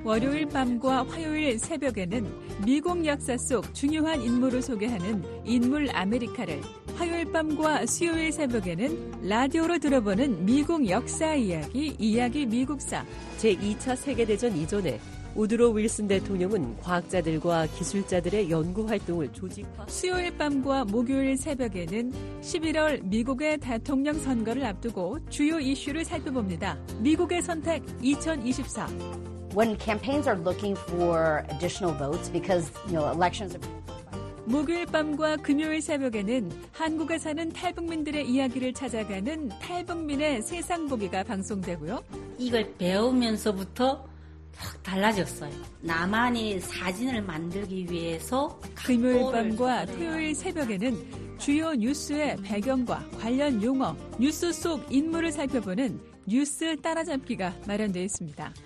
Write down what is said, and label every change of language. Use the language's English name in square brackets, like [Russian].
[Korean] 월요일 밤과 화요일 새벽에는 미국 역사 속 중요한 인물을 소개하는 인물 아메리카를, 화요일 밤과 수요일 새벽에는 라디오로 들어보는 미국 역사 이야기, 이야기 미국사. 제2차 세계대전 이전에 우드로 윌슨 대통령은 과학자들과 기술자들의 연구 활동을 조직화. 수요일 밤과 목요일 새벽에는 11월 미국의 대통령 선거를 앞두고 주요 이슈를 살펴봅니다. 미국의 선택 2024. [English] When campaigns are looking for additional votes because, you know, elections are... [Korean] 목요일 밤과 금요일 새벽에는 한국에 사는 탈북민들의 이야기를 찾아가는 탈북민의 세상 보기가 방송되고요. 이걸 배우면서부터 확 달라졌어요. 나만의 사진을 만들기 위해서. 금요일 밤과 토요일 새벽에는 주요 뉴스의 배경과 관련 용어, 뉴스 속 인물을 살펴보는 뉴스 따라잡기가 마련되어 있습니다.